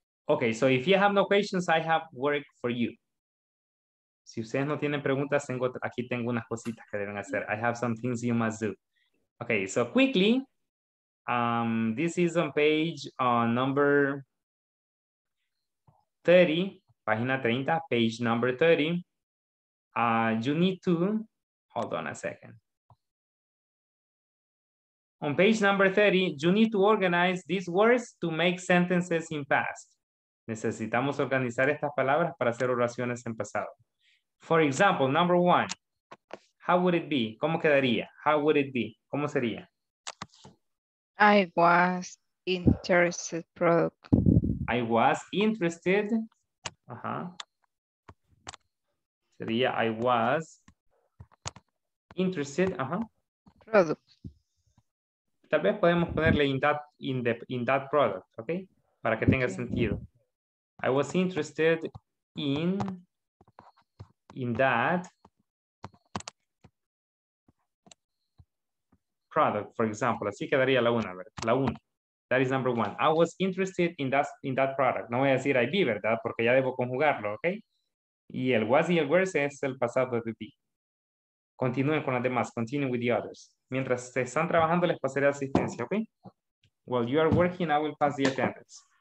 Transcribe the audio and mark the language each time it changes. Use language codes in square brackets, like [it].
[en] Okay, so if you have no questions, I have work for you. [es] Si ustedes no tienen preguntas, aquí tengo unas cositas que deben hacer. [en] I have some things you must do. Okay, so quickly, this is on page number 30, [es] página 30, [en] page number 30. You need to... Hold on a second. On page number 30, you need to organize these words to make sentences in past. [es] Necesitamos organizar estas palabras para hacer oraciones en pasado. [en] For example, number one, how would it be? [es] ¿Cómo quedaría? [en] How would it be? [es] ¿Cómo sería? [en] I was interested, product. I was interested. Sería I was. Interested, product. [es] Tal vez podemos ponerle [en] in that product, [es] okay? Para que tenga sentido. [en] I was interested in that product, for example. [es] Así quedaría la una, ¿verdad? La una. [en] That is number one. I was interested in that product. [es] No voy a decir I be, ¿verdad? Porque ya debo conjugarlo, okay? Y el was y el were es el pasado de be. Continúen con las demás. [en] Continue with the others. [es] Mientras se están trabajando, les pasaré asistencia, ¿ok? [en] While you are working, I will pass the attendance.